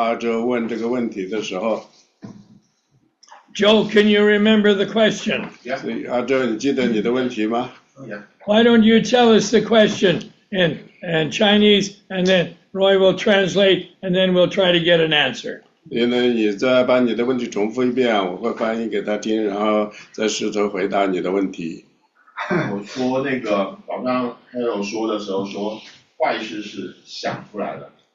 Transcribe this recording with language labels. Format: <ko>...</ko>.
<zh>所以你们上午有些人在这里，当阿哲问这个问题的时候</zh> <en>，Joe, can you remember the question? Yeah.</en> <zh>阿哲，你记得你的问题吗</zh> <en>？Yeah. Why don't you tell us the question in Chinese, and then Roy will translate, and then we'll try to get an answer.</en> <zh>因为你再把你的问题重复一遍，我会翻译给他听，然后再试着回答你的问题。我说那个，刚刚还有说的时候说，坏事是想出来的。</zh>